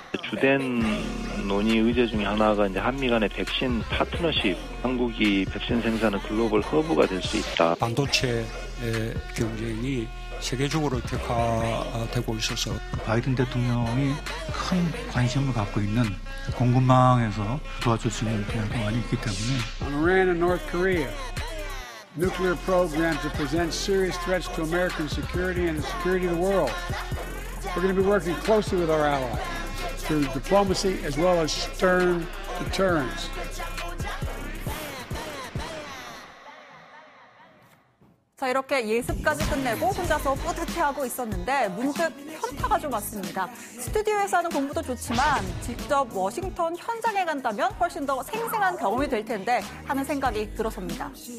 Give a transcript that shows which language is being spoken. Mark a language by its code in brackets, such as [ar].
[ko] 주된 논의 의제 중에 하나가 이제 한미 간의 백신 파트너십, 한국이 백신 생산은 글로벌 허브가 될 수 있다. 반도체 경쟁이 세계적으로 격화되고 있어서 바이든 대통령이 큰 관심을 갖고 있는 공급망에서 도와줄 수 있는 대안도 많이 있기 때문에 [en] Iran and North Korea nuclear program to present serious threats to American security and the security of the world. We're going to be working closely with our allies through diplomacy as well as stern deterrence. [ko] 자, 이렇게 예습까지 끝내고 혼자서 뿌듯해하고 있었는데 문득 현타가 좀 왔습니다. 스튜디오에서 하는 공부도 좋지만 직접 워싱턴 현장에 간다면 훨씬 더 생생한 경험이 될 텐데 하는 생각이 들었습니다.